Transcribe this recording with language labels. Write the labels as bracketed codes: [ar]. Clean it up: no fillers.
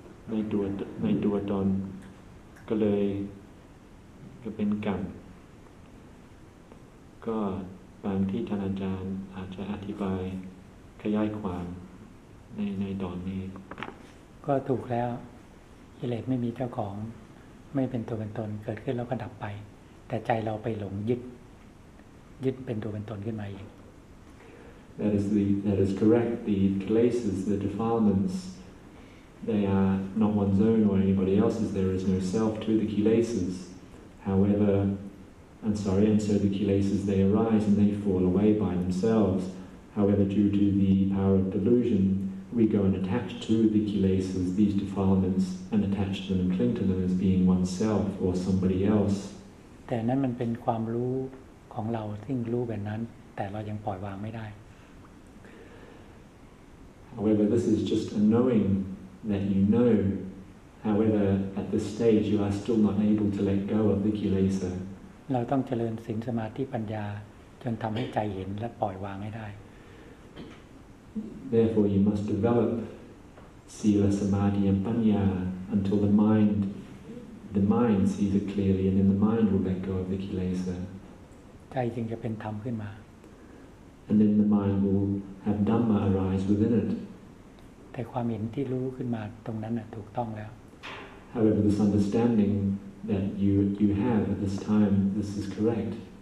[th] ในตัวตนก็เลยก็เป็นกรรมก็บางที่ท่านอาจารย์อาจจะอธิบายขยายความในตอนนี้ก็ถูกแล้วกิเลสไม่มีเจ้าของไม่เป็นตัวเป็นตนเกิดขึ้นแล้วก็ดับไปแต่ใจเราไปหลงยึดเป็นตัวเป็นตนขึ้นมาเอง [en] That is correct. The kilesas, the defilements, they are not one's own or anybody else's. There is no self to the kilesas. However, and so the kilesas, they arise and they fall away by themselves. However, due to the power of delusion, we go and attach to the kilesas, these defilements, and attach to them and cling to them as being oneself or somebody else. [th] แต่นั้นมันเป็นความรู้ของเราซึ่งรู้แบบนั้นแต่เรายังปล่อยวางไม่ได้ [en] However, this is just a knowing that you know. However, at this stage, you are still not able to let go of the kilesa. [th] เราต้องเจริญศีลสมาธิปัญญาจนทำให้ใจเห็นและปล่อยวางให้ได้ [en] Therefore, you must develop sila samadhi and panya until the mind sees it clearly, and then the mind will let go of the kilesa. [th] ใจจึงจะเป็นธรรมขึ้นมา [en] And then the mind will have dhamma arise within it. [th] แต่ความเห็นที่รู้ขึ้นมาตรงนั้นน่ะถูกต้องแล้ว [en] However, this understanding that you have at this time, this is correct.